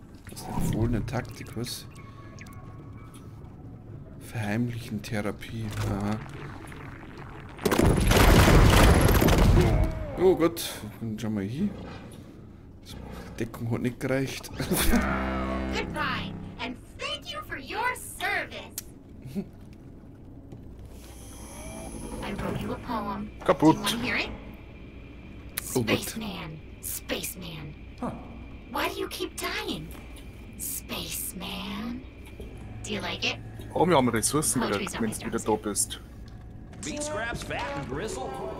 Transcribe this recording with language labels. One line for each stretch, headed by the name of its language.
German: Das ist eine empfohlene Taktikus. Verheimlichen Therapie, aha. Oh Gott, dann schauen wir hier. Deckung hat nicht gereicht.
English: Goodbye and thank you for your service. I wrote you a poem.
German: Kaputt.
English: Do you want to hear it? Spaceman, spaceman. Huh. Why do you keep dying? Spaceman. Do you like it?
German: Oh, wir haben Ressourcen wieder, wenn du wieder da bist.
English: Meat scraps, fat and gristle.